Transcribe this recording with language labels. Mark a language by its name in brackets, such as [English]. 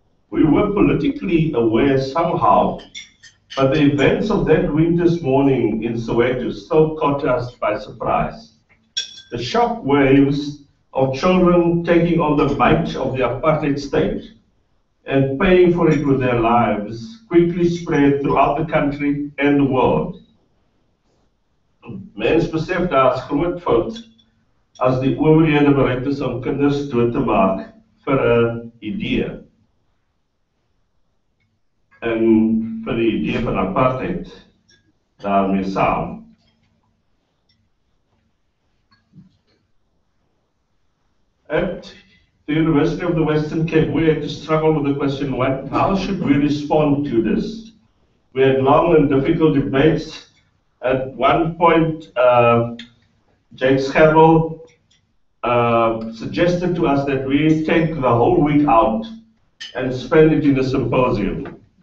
[English] We were politically aware somehow, but the events of that winter's morning in Soweto still caught us by surprise. The shock waves of children taking on the might of the apartheid state and paying for it with their lives quickly spread throughout the country and the world. [Afrikaans] Mens besef daar's groot fout as die owerhede bereid is om kinders dood te maak vir 'n idee. En vir die idee van apartheid daarmee saam. [English] At the University of the Western Cape, we had to struggle with the question, how should we respond to this? We had long and difficult debates. At one point, Jake Scherrell suggested to us that we take the whole week out and spend it in a symposium.